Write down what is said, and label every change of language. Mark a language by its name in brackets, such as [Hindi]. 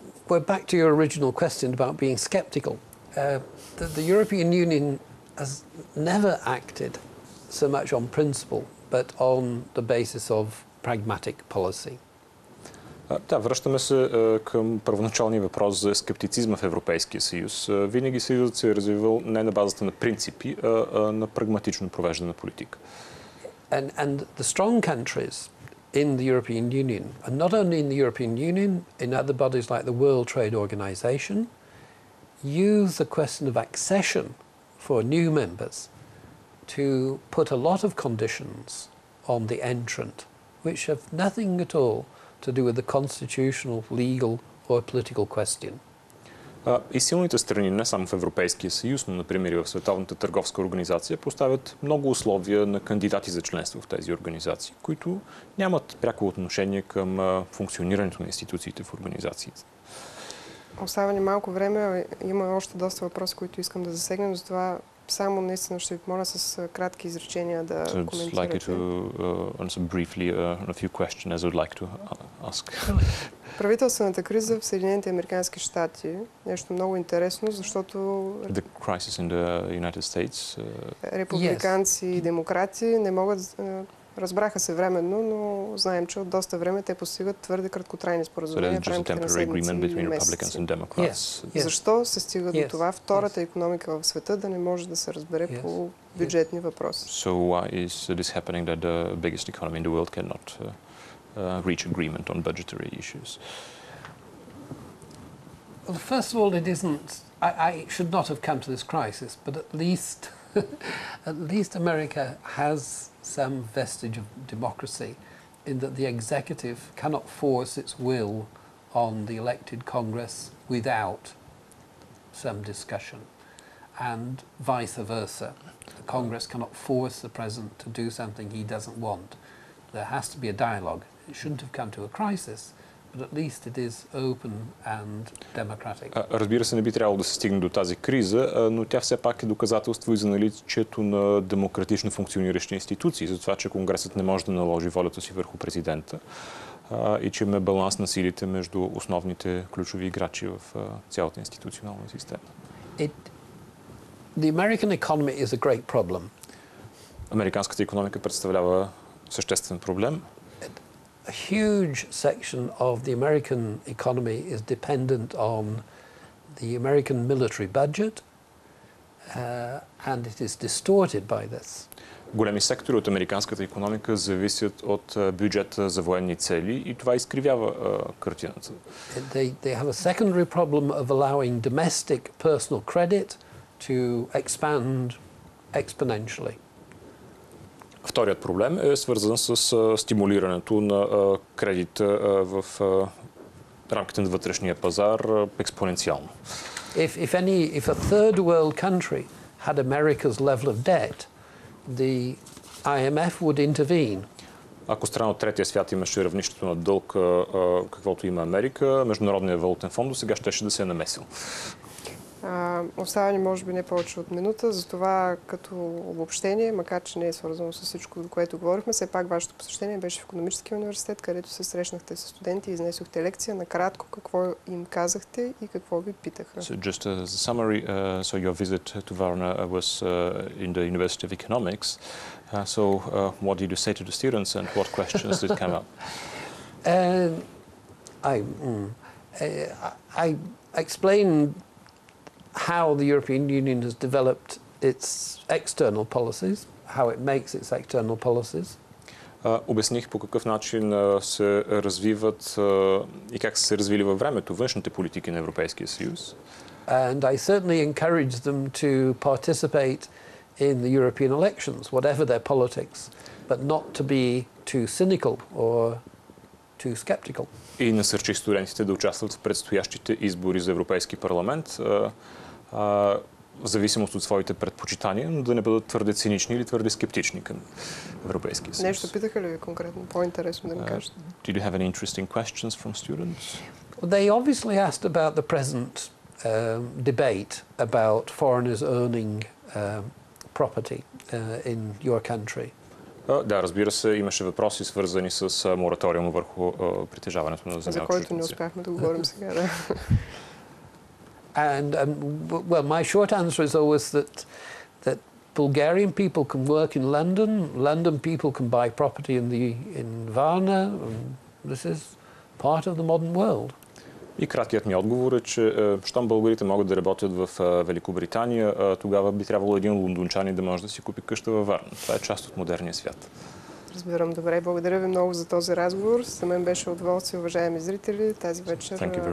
[English] We're back to your original question about being skeptical. The European Union has never acted so much on principle, but on the basis of pragmatic policy. [Bulgarian] Да, връщаме се към първоначалния въпрос за скептицизма в Европейския съюз. Винаги съюзът се е развивал не на базата на принципи, а на прагматично провеждана политика. [English] And the strong countries in the European Union, and not only in the European Union, in other bodies like the World Trade Organization, use the question of accession for new members to put a lot of conditions on the entrant, which have nothing at all to do with the constitutional, legal or political question. [Bulgarian] И силните страни, не само в Европейския съюз, но, например, и в Световната търговска организация, поставят много условия на кандидати за членство в тези организации, които нямат пряко отношение към функционирането на институциите в организациите. Остава ни малко време, има още доста въпроси, които искам да засегнем, затова само наистина ще ви помоля с кратки изречения да коментирате. [English] I'd like to answer briefly on a few questions as I'd like to ask. [Bulgarian] Правителствената криза в Съединените американски щати, нещо много интересно, защото [English] the crisis in the United States, [Bulgarian] републиканци и демократи не могат, разбраха се временно, но знаем, че от доста време те постигат твърде краткотрайни споразумения в рамките на седмици и месеци. Защо се стига до това втората икономика в света да не може да се разбере по бюджетни въпроси? [English] So why is this happening that the biggest economy in the world cannot reach agreement on budgetary issues? Well, first of all, it isn't. I should not have come to this crisis, but at least America has some vestige of democracy in that the executive cannot force its will on the elected Congress without some discussion, and vice versa. The Congress cannot force the president to do something he doesn't want. There has to be a dialogue. It shouldn't have come to a crisis, but at least it is open and democratic. [Bulgarian] Разбира се, не би трябвало да се стигне до тази криза, но тя все пак е доказателство и за наличието на демократично функциониращи институции, за това, че Конгресът не може да наложи волята си върху президента и че имаме баланс на силите между основните ключови играчи в цялата институционална система. [English] The American economy is a great problem. [Bulgarian] Американската икономика представлява съществен проблем. [English] A huge section of the American economy is dependent on the American military budget, and it is distorted by this. [Bulgarian] Големи сектори от американската икономика зависят от бюджета за военни цели и това изкривява картината. [English] They have a secondary problem of allowing domestic personal credit to expand exponentially. [Bulgarian] Вторият проблем е свързан с стимулирането на кредита в рамките на вътрешния пазар експоненциално. [English] If a third world country had America's level of debt, the IMF would intervene. [Bulgarian] Ако страна от третия свят имаше равнището на дълг, каквото има Америка, Международният валутен фонд сега щеше да се е намесил. Остава ни може би не повече от минута, затова като обобщение, макар че не е свързано с всичко, до което говорихме, все пак вашето посещение беше в Икономическия университет, където се срещнахте с студенти и изнесохте лекция. Накратко, какво им казахте и какво ви питаха? [English] So just as a summary, so your visit to Varna was in the University of Economics. So what did you say to the students and what questions did come up? I explain how the European Union has developed its external policies, how it makes its external policies. [Bulgarian] Обясних по какъв начин се развиват и как се развили във времето външните политики на Европейския съюз. [English] And I certainly encourage them to participate in the European elections, whatever their politics, but not to be too cynical or too skeptical. [Bulgarian] И насърчих студентите да участват в предстоящите избори за Европейски парламент, в зависимост от своите предпочитания, но да не бъдат твърде цинични или твърде скептични към Европейския съюз. Нещо питаха ли ви конкретно? По-интересно да ми кажете. [English] Did you have any interesting questions from students? They obviously asked about the present debate about foreigners earning property in your country. [Bulgarian] Да, разбира се, имаше въпроси, свързани с мораториум върху притежаването на земя. За който не успяхме да говорим сега, да. [English] And well, my short answer is always that Bulgarian people can work in London. London people can buy property in Varna. And this is part of the modern world. [Bulgarian] И краткият ми отговор е, че щом българите могат да работят в Великобритания, тогава би трябвало един лондончанин да може да си купи къща във Варна. Това е част от модерния свят. Разбирам добре. Благодаря ви много за този разговор. За мен беше удоволствие, уважаеми зрители. Тази вечер